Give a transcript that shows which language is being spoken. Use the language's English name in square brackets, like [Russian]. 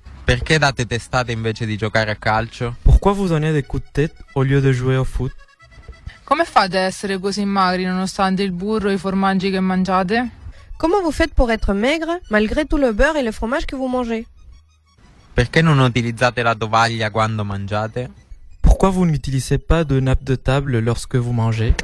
[Italian] Perché date testate invece di giocare a calcio? [French] Pourquoi vous donnez des coups de tête au lieu de jouer au foot? [Italian] Come fate ad essere così magri nonostante il burro e i formaggi che mangiate? [French] Comment vous faites pour être maigre malgré tout le beurre et le fromage que vous mangez? [Italian] Perché non utilizzate la tovaglia quando mangiate? [French] Pourquoi vous n'utilisez pas de nappe de table lorsque vous mangez?